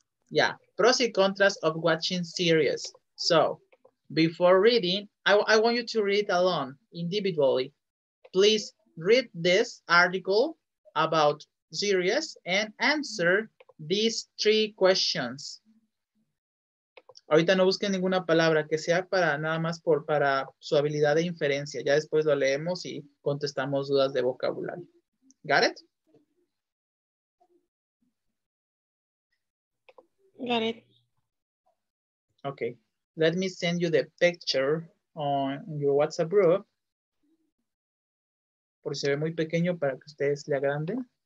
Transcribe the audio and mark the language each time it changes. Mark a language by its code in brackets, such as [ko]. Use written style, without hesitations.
[en] Yeah, pros [es] y contras [en] of watching series. So before reading, I want you to read alone, individually. Please read this article about series and answer these three questions. [es] Ahorita no busquen ninguna palabra que sea para nada más por para su habilidad de inferencia. Ya después lo leemos y contestamos dudas de vocabulario. [en] Got it? Got it. Okay. Let me send you the picture on your WhatsApp group. [es] Por si se ve muy pequeño para que ustedes le agranden.